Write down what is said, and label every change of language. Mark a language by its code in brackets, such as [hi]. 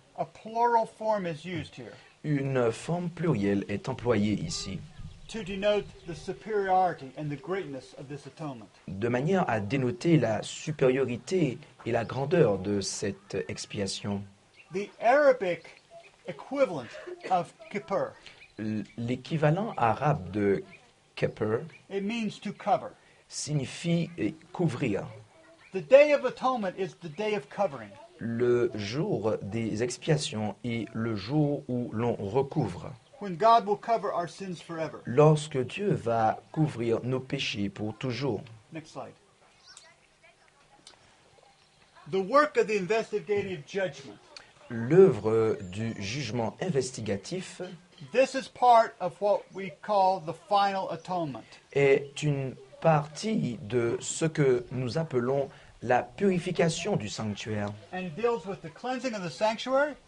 [en] A plural form is used here. [fr] Une forme plurielle est employée ici. [en] To denote the superiority and the greatness of this atonement. [fr] De manière à dénoter la supériorité et la grandeur de cette expiation. [en] The Arabic equivalent of Kippur. [fr] L'équivalent arabe de Kippur. [en] It means to cover. [fr] Signifie couvrir. [en] The day of atonement is the day of covering. [fr] Le jour des expiations est le jour où l'on recouvre. [en] When God will cover our sins forever. [fr] Lorsque Dieu va couvrir nos péchés pour toujours. [en] Next slide. The work of the investigative judgment. [fr] L'œuvre du jugement investigatif. [en] This is part of what we call the final atonement. [fr] Est une partie de ce que nous appelons la purification du sanctuaire. [en] And deals with the cleansing of the sanctuary.